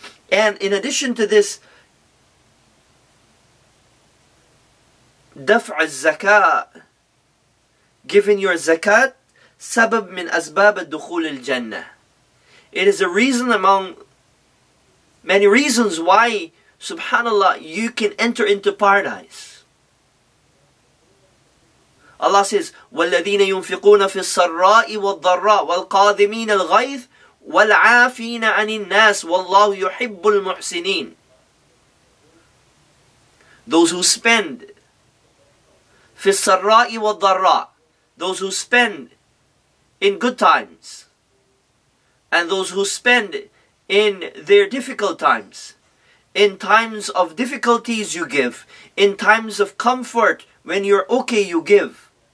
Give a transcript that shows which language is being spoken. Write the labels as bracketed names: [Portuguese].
[English] And in addition to this, [Arabic] دفع الزكاة, [English] giving your zakat, [Arabic] سبب من أسباب الدخول الجنة. [English] It is a reason among many reasons why, subhanAllah, you can enter into paradise. [Arabic] Allah says, وَالَّذِينَ يُنْفِقُونَ فِي السَّرَّاءِ وَالضَّرَّاءِ وَالْقَاذِمِينَ الْغَيْثِ وَالْعَافِينَ عَنِ النَّاسِ وَاللَّهُ يُحِبُّ الْمُحْسِنِينَ. [English] Those who spend [Arabic] فِي السَّرَّاءِ وَالضَّرَّاءِ, [English] those who spend in good times, and those who spend in their difficult times. In times of difficulties you give, in times of comfort, when you're okay, you give.